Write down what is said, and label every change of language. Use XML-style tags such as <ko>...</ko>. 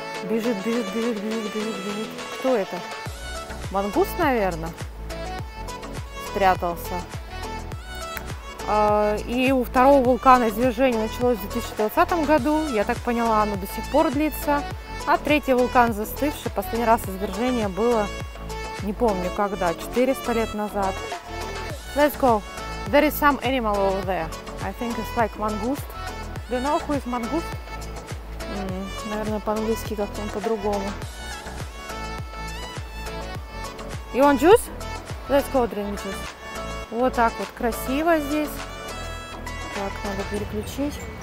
<ru>Бежит, бежит, бежит, бежит, бежит, бежит. Кто это? Мангуст, наверное, спрятался. И у второго вулкана извержение началось в 2020 году. Я так поняла, оно до сих пор длится. А третий вулкан застывший. Последний раз извержение было, не помню когда, 400 лет назад.</ru> <en>Let's go. There is some animal over there. I think it's like mongoose. Do you know who is mongoose?</en> <ru>Наверное, по-английски как-то по-другому.</ru> <en>You want juice? Let's go drink juice.</en> <ru>Вот так вот красиво здесь. Так, надо переключить.</ru>